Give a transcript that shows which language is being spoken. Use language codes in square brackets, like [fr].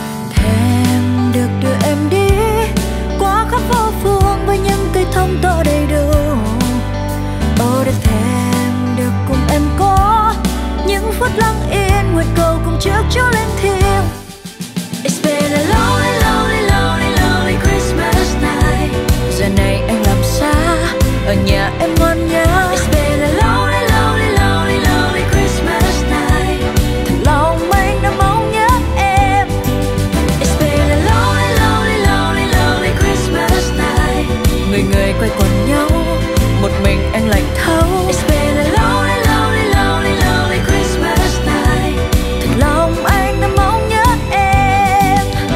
[vi] Thèm được đưa em đi qua khắp phố phường với những cây thông to đầy đủ. Ô để thèm được cùng em có những phút lặng yên, nguyện cầu cùng trước Chúa lên thiêng. [en] It's been a lonely, lonely, lonely, lonely Christmas night. [vi] Giờ này anh làm xa, ở nhà em ngoan nhớ. [en] It's been a lonely, lonely, lonely, lonely Christmas night. [vi] Thật lòng anh đã mong nhớ em. [en] It's been a lonely, lonely, lonely, lonely Christmas night. [vi] Người người quay quần nhau, một mình em lạnh thấu. [en] It's been a lonely, lonely, lonely, lonely Christmas night. [vi] Thật lòng anh đã mong nhớ em.